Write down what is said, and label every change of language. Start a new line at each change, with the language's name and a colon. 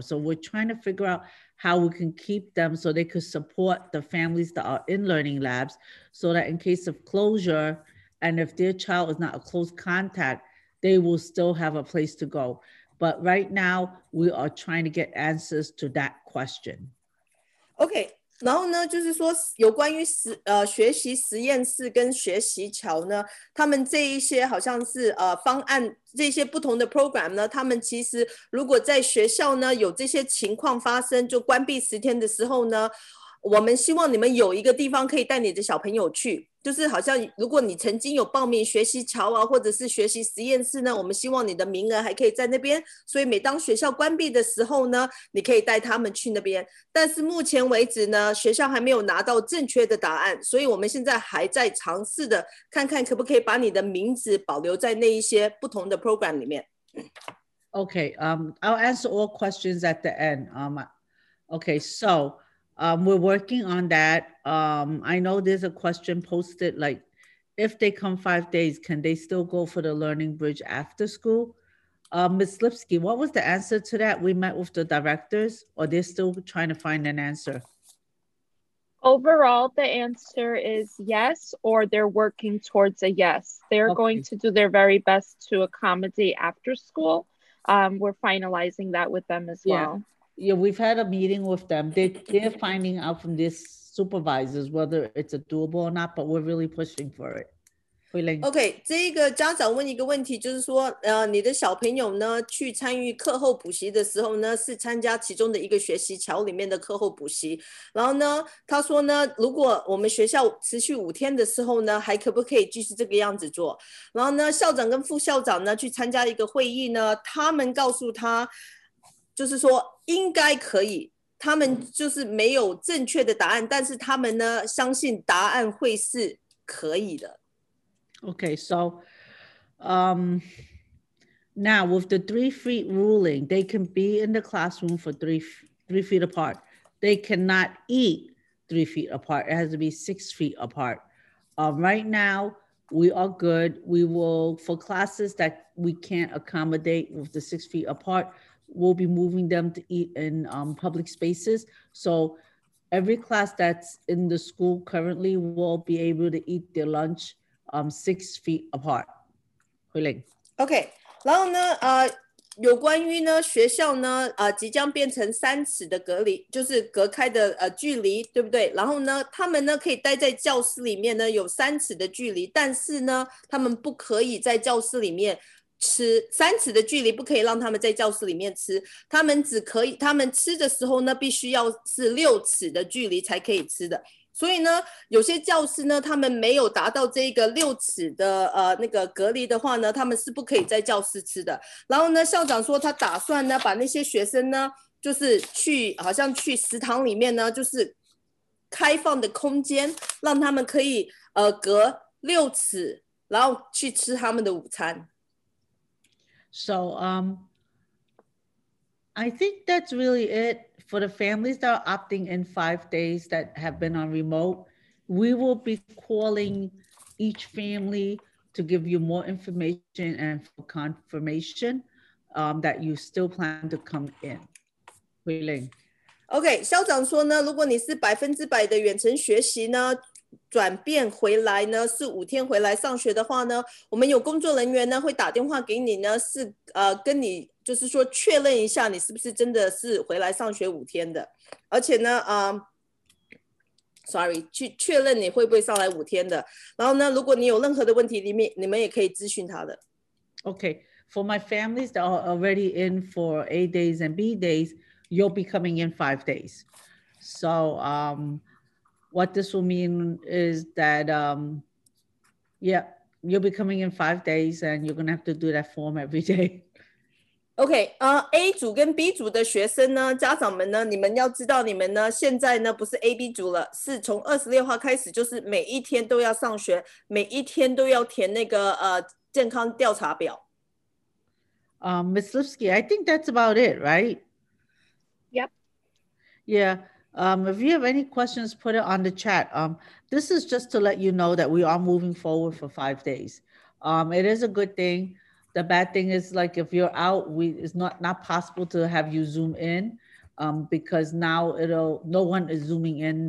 English: So we're trying to figure out how we can keep them so they could support the families that are in Learning Labs so that in case of closure, and if their child is not a close contact, they will still have a place to go. But right now, we are trying to get answers to that question.
Chinese: OK，然后呢，就是说有关于学习实验室跟学习桥呢，他们这一些好像是方案，这些不同的 program 呢，他们其实如果在学校呢有这些情况发生，就关闭10天的时候呢，我们希望你们有一个地方可以带你的小朋友去，就是好像如果你曾经有报名学习桥啊，或者是学习实验室呢，我们希望你的名额还可以在那边，所以每当学校关闭的时候呢，你可以带他们去那边。但是目前为止呢，学校还没有拿到正确的答案，所以我们现在还在尝试的看看可不可以把你的名字保留在那一些不同的 program 里面。
English: Okay, I'll answer all questions at the end. Okay, so we're working on that. I know there's a question posted, like, if they come 5 days, can they still go for the Learning Bridge after school? Ms. Lipsky, what was the answer to that? We met with the directors, or they're still trying to find an answer? Overall, the answer is yes, or they're working towards a yes. They're okay. going to do their very best to accommodate after school. We're finalizing that with them as yeah. well. Yeah, we've had a meeting with them. They're finding out from these supervisors whether it's a doable or not, but we're really pushing for it.
Chinese: OK, 这个家长问一个问题，就是说你的小朋友呢去参与课后补习的时候呢，是参加其中的一个学习桥里面的课后补习，然后呢他说呢，如果我们学校持续五天的时候呢，还可不可以继续这个样子做，然后呢校长跟副校长呢去参加一个会议呢，他们告诉他就是说应该可以，他们就是没有正确的答案，但是他们呢相信答案会是可以的。
English: Okay, so now with the 3 feet ruling, they can be in the classroom for three feet apart. They cannot eat 3 feet apart. It has to be 6 feet apart. Right now, we are good. We will, for classes that we can't accommodate with the 6 feet apart, we'll be moving them to eat in public spaces. So every class that's in the school currently will be able to eat their lunch 6 feet apart.
Chinese: OK, 然后呢有关于呢学校呢即将变成三尺的隔离，就是隔开的距离，对不对？然后呢他们呢可以待在教室里面呢有三尺的距离，但是呢他们不可以在教室里面吃，三尺的距离不可以让他们在教室里面吃，他们只可以，他们吃的时候呢必须要是六尺的距离才可以吃的。所以呢有些教师呢他们没有达到这个六尺的那个隔离的话呢，他们是不可以在教室吃的。然后呢校长说他打算呢把那些学生呢就是去好像去食堂里面呢，就是开放的空间让他们可以隔六尺然后去吃他们的午餐。
English: So I think that's really it. For the families that are opting in 5 days that have been on remote, we will be calling each family to give you more information and for confirmation that you still plan to come in. Huiling.
Chinese: OK, 校长说呢，如果你是百分之百的远程学习呢，转变回来呢是五天回来上学的话呢，我们有工作人员呢会打电话给你呢，是跟你就是说确认一下你是不是真的是回来上学五天的，而且呢去确认你会不会上来五天的，然后呢如果你有任何的问题你们也可以咨询他的。
English: Okay, for my families that are already in for A days and B days, you'll be coming in 5 days. So what this will mean is that, yeah, you'll be coming in 5 days and you're going to have to do that form every day.
Chinese: Okay, A 组跟 B 组的学生呢，家长们呢，你们要知道你们呢，现在呢不是 AB 组了，是从26号开始就是每一天都要上学，每一天都要填那个健康调查表。
English: Ms. Lipsky, I think that's about it, right? Yep. Yeah. If you have any questions, put it on the chat. This is just to let you know that we are moving forward for 5 days. It is a good thing. The bad thing is, like, if you're out, it's not possible to have you Zoom in because now no one is Zooming in.